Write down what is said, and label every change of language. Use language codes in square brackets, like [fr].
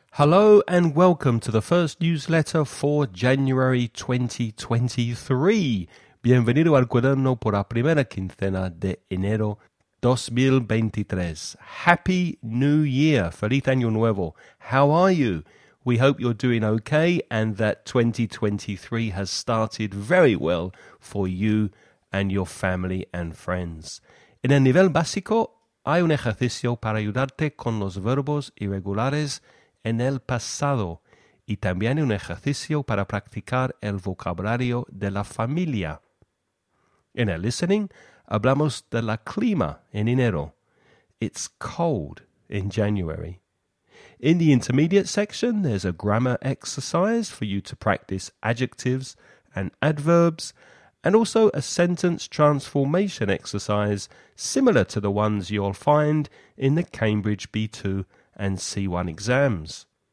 [en] Hello and welcome to the first newsletter for January 2023. [es] Bienvenido al cuaderno por la primera quincena de enero 2023. [en] Happy New Year. [es] Feliz Año Nuevo. [en] How are you? We hope you're doing okay and that 2023 has started very well for you and your family and friends. [es] En el nivel básico, hay un ejercicio para ayudarte con los verbos irregulares en el pasado y también un ejercicio para practicar el vocabulario de la familia. En el listening, hablamos de la clima en enero. [en] It's cold in January. In the intermediate section, there's a grammar exercise for you to practice adjectives and adverbs, and also a sentence transformation exercise similar to the ones you'll find in the Cambridge B2 and C1 exams.